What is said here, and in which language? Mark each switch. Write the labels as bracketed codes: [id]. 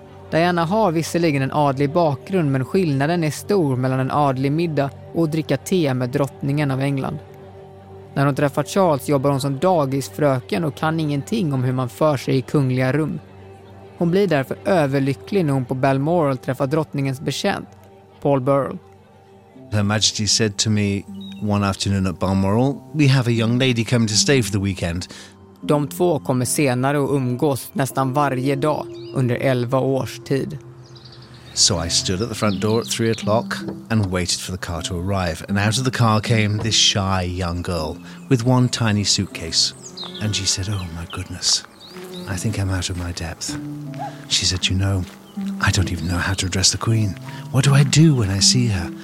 [sv] Diana har visserligen en adlig bakgrund, men skillnaden är stor mellan en adlig middag och att dricka te med drottningen av England. När hon träffar Charles jobbar hon som dagisfröken och kan ingenting om hur man för sig i kungliga rum. Hon blir därför överlycklig när hon på Balmoral träffar drottningens betjänt, Paul Burrell. [en] Her Majesty said to me one afternoon at Balmoral, we have a young lady coming to stay for the weekend. [sv] De två kommer senare att umgås nästan varje dag under 11 års tid. [en] So I stood at the front door at 3 o'clock and waited for the car to arrive. And out of the car came this shy young girl with one tiny suitcase. And she said, oh my goodness, I think I'm out of my depth. She said, you know, I don't even know how to address the Queen. What do I do when I see her?